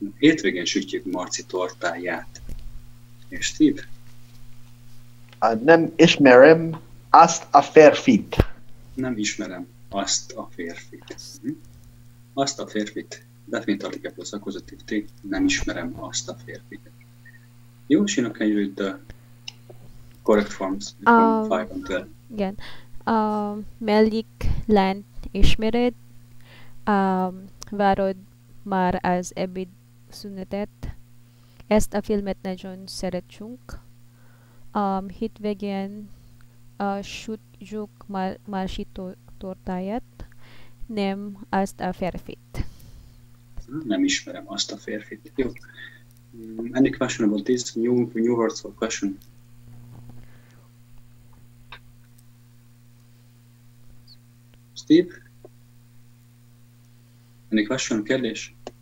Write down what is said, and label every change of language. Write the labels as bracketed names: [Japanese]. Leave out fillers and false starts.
[Hungarian] Hétvégén sütjük Marci tortáját. És Steve? Nem ismerem azt a férfit. Nem ismerem azt a férfit. Hm? Azt a férfit. [English] Definite article plus accusative t. [Hungarian] Nem ismerem azt a férfit. Jó, [English] Sina, can you read the correct forms from 5 and 10? [Hungarian] Igen. Melyik lányt ismered? Várod már az ebéd szünetet? Ezt a filmet nagyon szeretjük. Hétvégén sütjük Marci tortáját. Nem azt a férfit. Nem ismerem azt a férfit. Jó. [English] Any question about this? New words or question? Steve? Any question, [Hungarian] kérdés?